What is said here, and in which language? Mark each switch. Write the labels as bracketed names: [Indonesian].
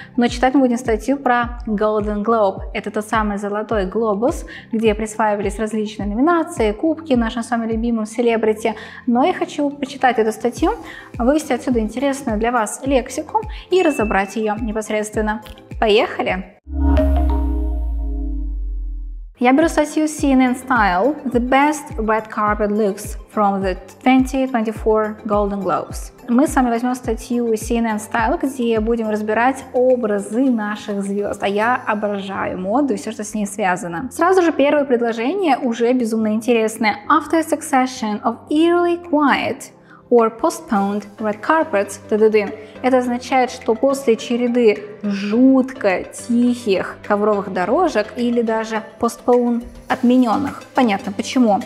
[Russian] Но читать мы будем статью про Golden Globe. Это тот самый золотой глобус, где присваивались различные номинации, кубки нашим с вами любимым селебрити. Но я хочу почитать эту статью, вывести отсюда интересную для вас лексику и разобрать ее непосредственно. Поехали! Я беру статью CNN Style, [English] The Best Red Carpet Looks from the 2024 Golden Globes. [Russian] Мы с вами возьмем статью CNN Style, где будем разбирать образы наших звезд. А я обожаю моду и все, что с ней связано. Сразу же первое предложение уже безумно интересное. [English] After a succession of eerily quiet or postponed red carpets, [Russian] это означает, что после череды жутко тихих ковровых дорожек или даже postpone отмененных. Понятно, почему.